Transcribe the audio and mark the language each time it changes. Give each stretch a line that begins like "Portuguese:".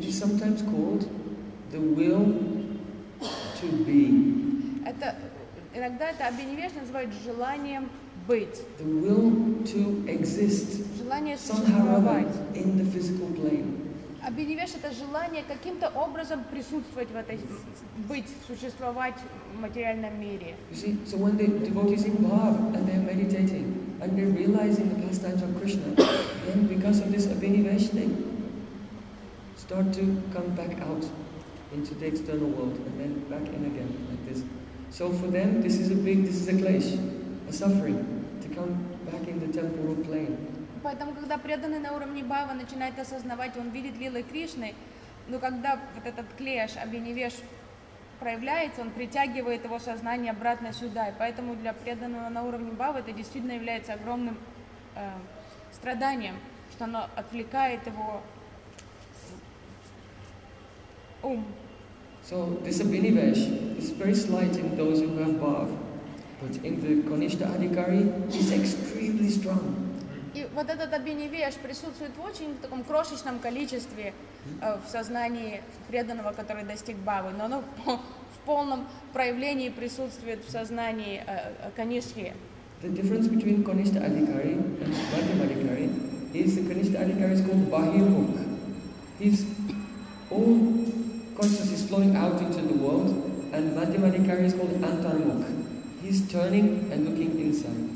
English: It's sometimes called the will to be.
Russian: Это иногда это Abhinivesh называют желанием быть.
English: The will to exist.
Russian: Желание существовать
English: in the physical plane.
Russian: Abhinivesh это желание каким-то образом присутствовать в этой, быть, существовать в материальном мире.
English: You see, so when the devotees embark and they're meditating and they're realizing the pastimes of Krishna, then because of this Abhinivesh thing, start to come back out into the external world and then back in again like this. So for them, this is a klesh, a suffering, to come back in the temporal plane.
Russian: Поэтому, когда преданный на уровне Бхавы начинает осознавать, он видит лилы Кришны, но когда вот этот клеш, Abhinivesh проявляется, он притягивает его сознание обратно сюда. И поэтому для преданного на уровне Бхавы это действительно является огромным страданием, что оно отвлекает его ум.
English: So, this Abhinivesh is very slight in those who have Bhav, but in the Kanishtha Adhikari, it's extremely strong.
Russian: И вот этот Abhinivesh присутствует в очень таком крошечном количестве в сознании преданного, который достиг Бхавы, но оно в полном проявлении присутствует в сознании Канишхи.
English: The difference between Kanishtha Adhikari and Madhyam Adhikari is the Kanishtha Adhikari is called Bahirmukh. His all consciousness is flowing out into the world, and Madhyam Adhikari is called Antarmukh. He's turning and looking inside.